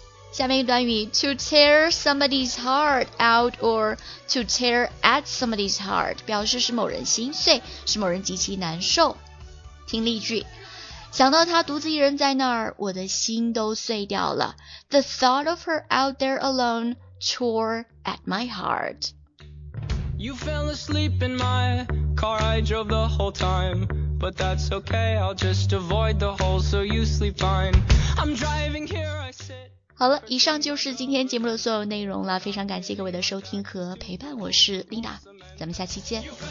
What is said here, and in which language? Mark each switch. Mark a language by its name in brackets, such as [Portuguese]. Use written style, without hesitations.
[Chinese] 下面一段语 [English] To tear somebody's heart [Chinese] out or to tear at somebody's heart 表示使某人心碎，使某人极其难受。听例句，想到她独自一人在那儿，我的心都碎掉了。 [English] The thought of her out there alone tore at my heart. You fell asleep in my car, I drove the whole time. But that's okay, I'll just avoid the holes so you sleep fine. I'm driving here, I sit. [Chinese] 好了，以上就是今天节目的所有内容了，非常感谢各位的收听和陪伴，我是 Lina， 咱们下期见。